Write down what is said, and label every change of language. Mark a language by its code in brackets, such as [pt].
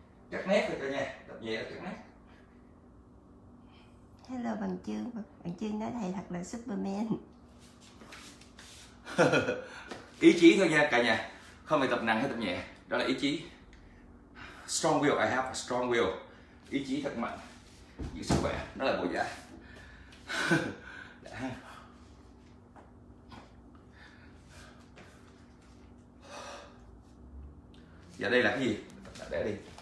[vi] Cắt nét rồi cả nhà, tập nhẹ cắt nét. Hello bằng chương. Bằng chương nói thầy thật là Superman. Ý chí thôi nha cả nhà, không phải tập nặng hay tập nhẹ, đó là ý chí. [en] Strong will, I have a strong will. [vi] Ý chí thật mạnh, giữ sức khỏe, đó là bộ giá. Dạ đây là cái gì? Để đi.